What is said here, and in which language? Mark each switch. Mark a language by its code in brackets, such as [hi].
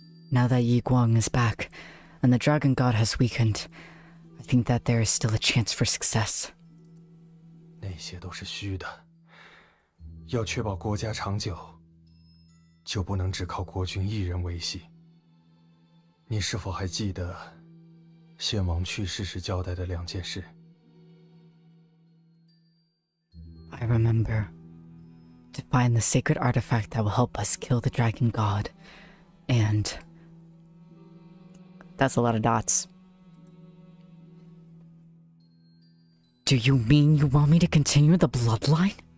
[en] Now that Yi Guang is back, and the Dragon God has weakened, I think that there is still a chance for success. [zh] 那些都是虚的。要确保国家长久, 就不能只靠国君一人维系。你是否还记得先王去世时交代的两件事? [en] I remember. To find the sacred artifact that will help us kill the dragon god. And... That's a lot of dots. Do you mean you want me to continue the bloodline?